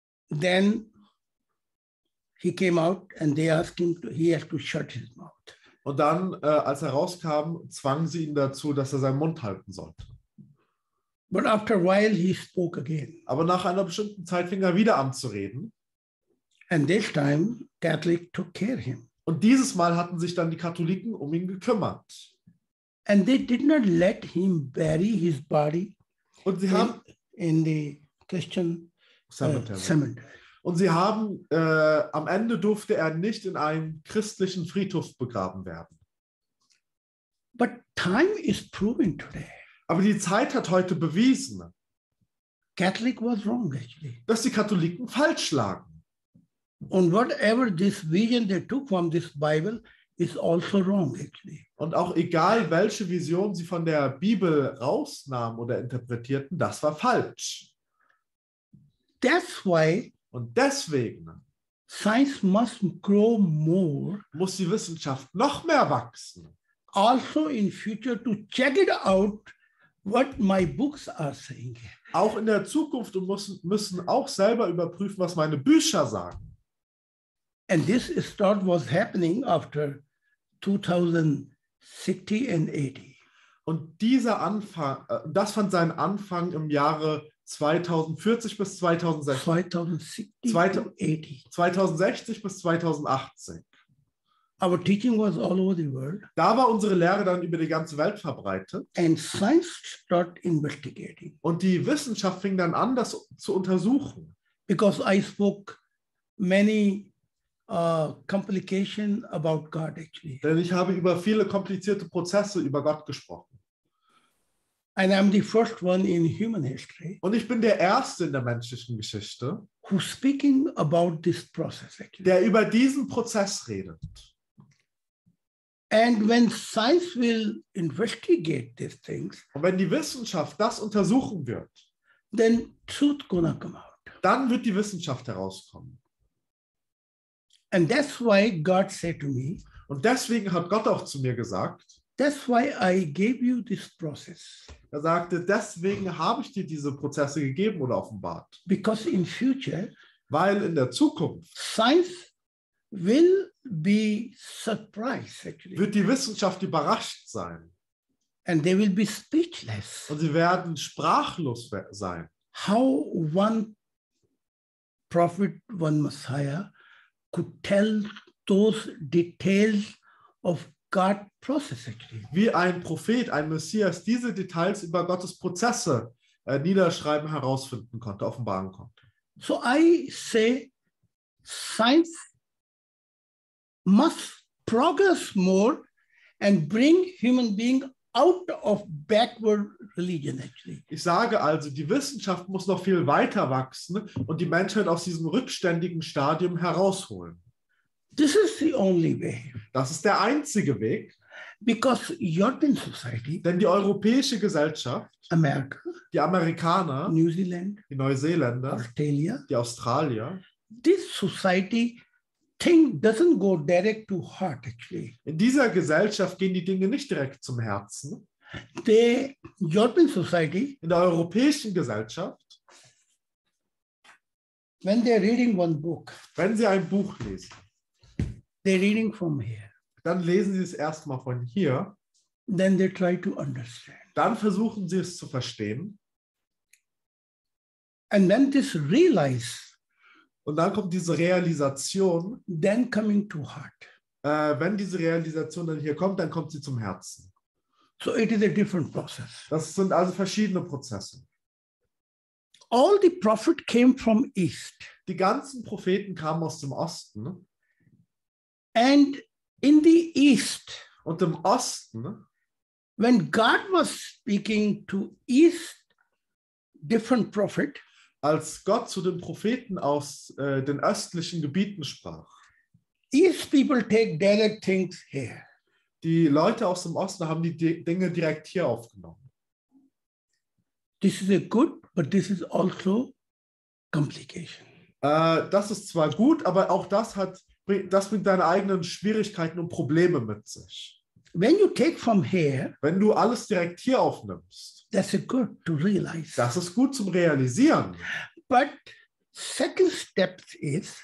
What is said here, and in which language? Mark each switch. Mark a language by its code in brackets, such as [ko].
[en] Then he came out and they asked him to, he has to shut his mouth. [de] Und dann, als er rauskam, zwangen sie ihn dazu, dass er seinen Mund halten sollte. [en] But after a while he spoke again. [de] Aber nach einer bestimmten Zeit fing er wieder an zu reden. [en] And this time Catholic took care of him. [de] Und dieses Mal hatten sich dann die Katholiken um ihn gekümmert. [en] And they did not let him bury his body. [de] Und sie haben [en] in the Christian cemetery. [de] Und sie haben am Ende durfte er nicht in einem christlichen Friedhof begraben werden. [en] But time is proving today. [de] Aber die Zeit hat heute bewiesen, [en] Catholic was wrong actually. [de] Dass die Katholiken falsch lagen. [en] And whatever this vision they took from this Bible is also wrong actually. [de] Und auch egal, welche Vision sie von der Bibel rausnahmen oder interpretierten, das war falsch. [en] That's why. [de] Und deswegen. [en] Science must grow more. [de] Muss die Wissenschaft noch mehr wachsen. [en] Also in future to check it out. What my books are saying. [de] Auch in der Zukunft und müssen auch selber überprüfen, was meine Bücher sagen. [en] And this is what was happening after 2060 and 80. [de] Und dieser Anfang, das fand seinen Anfang im Jahre 2040 bis 2060. 2060 bis 2018. [en] Our teaching was all over the world. [de] Da war unsere Lehre dann über die ganze Welt verbreitet. [en] And science started investigating. [de] Und die Wissenschaft fing dann an, das zu untersuchen. [en] Because I spoke many complications about God actually. [de] Denn ich habe über viele komplizierte Prozesse über Gott gesprochen. [en] And I'm the first one in human history. [de] Und ich bin der Erste in der menschlichen Geschichte, [en] who's speaking about this process actually. [de] Der über diesen Prozess redet. [en] And when science will investigate these things, [de] und wenn die Wissenschaft das untersuchen wird, [en] then truth gonna come out. [de] Dann wird die Wissenschaft herauskommen. [en] And that's why God said to me, [de] und deswegen hat Gott auch zu mir gesagt, [en] that's why I gave you this process. [de] Er sagte, deswegen habe ich dir diese Prozesse gegeben oder offenbart. [en] Because in future, [de] weil in der Zukunft [en] science will be surprised, actually. [de] Wird die Wissenschaft überrascht sein. [en] And they will be speechless. [de] Und sie werden sprachlos sein. [en] How one prophet, one Messiah could tell those details of God's process, actually. [de] Wie ein Prophet, ein Messias, diese Details über Gottes Prozesse niederschreiben, herausfinden konnte, offenbaren konnte. [en] So I say, science must progress more and bring human being out of backward religion actually. [de] Ich sage also, die Wissenschaft muss noch viel weiter wachsen und die Menschheit aus diesem rückständigen Stadium herausholen. [en] This is the only way. [de] Das ist der einzige Weg. [en] Because European society, [de] denn die europäische Gesellschaft, [en] America, [de] die Amerikaner, [en] New Zealand, [de] die Neuseeländer, [en] Australia, [de] die Australier, [en] this society thing doesn't go direct to heart actually. [de] In dieser Gesellschaft gehen die Dinge nicht direkt zum Herzen. [en] The European society, [de] in der europäischen Gesellschaft, [en] when they're reading one book, [de] wenn sie ein Buch lesen, [en] they're reading from here, [de] dann lesen sie es erstmal von hier, [en] then they try to understand, [de] dann versuchen sie es zu verstehen, [en] and then this realize. [de] Und dann kommt diese Realisation. [en] Then coming to heart. [de] Wenn diese Realisation dann hier kommt, dann kommt sie zum Herzen. [en] So it is a different process. [de] Das sind also verschiedene Prozesse. [en] All the prophet came from east. [de] Die ganzen Propheten kamen aus dem Osten. [en] And in the east. [de] Und im Osten. [en] When God was speaking to east, different prophet. [de] Als Gott zu den Propheten aus den östlichen Gebieten sprach. [en] East people take direct things here. [de] Die Leute aus dem Osten haben die Dinge direkt hier aufgenommen. [en] This is a good, but this is also complication. [de] Das ist zwar gut, aber auch das bringt deine eigenen Schwierigkeiten und Probleme mit sich. [en] When you take from here, [de] wenn du alles direkt hier aufnimmst, [en] that's good to realize. [de] Das ist gut zum Realisieren. [en] But second step is,